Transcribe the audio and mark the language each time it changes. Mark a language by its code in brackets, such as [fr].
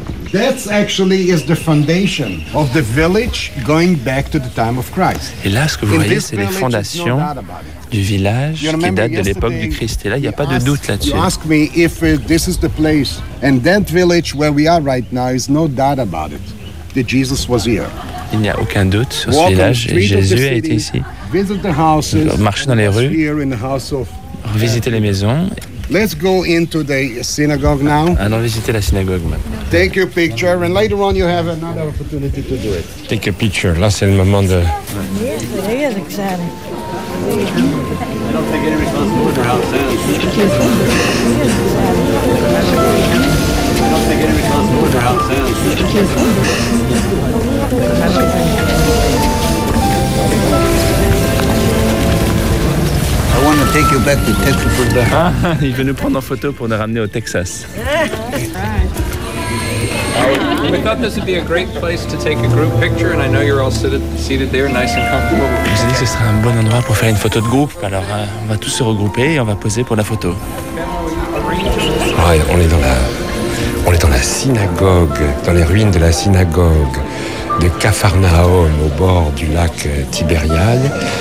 [en] That actually is the foundation of the village going back to the time of Christ. [fr] Et là, ce que vous voyez, c'est les fondations du village qui datent de l'époque du Christ. Et là, il n'y a pas de doute là-dessus. [en] You ask me if this is the place, and that village where we are right now is no doubt about it. That Jesus was here. [fr] Il n'y a aucun doute sur ce village. Jésus a été ici. Marcher dans les rues, visiter les maisons. [en] Let's go into the synagogue now. [fr] Allons visiter la synagogue maintenant. [en] Take your picture, and later on you have another opportunity to do it. Take a picture. [fr] Là, c'est le moment de. [en] I want to take you back to Texas for the. [fr] Ah, il veut nous prendre en photo pour nous ramener au Texas. [en] We thought this would be a great place to take a group picture, and I know you're all seated there, nice and comfortable. [fr] Je dis que ce serait un bon endroit pour faire une photo de groupe. Alors, on va tous se regrouper et on va poser pour la photo. Ouais, on est dans la. On est dans la synagogue, dans les ruines de la synagogue de Capharnaüm au bord du lac Tibériade.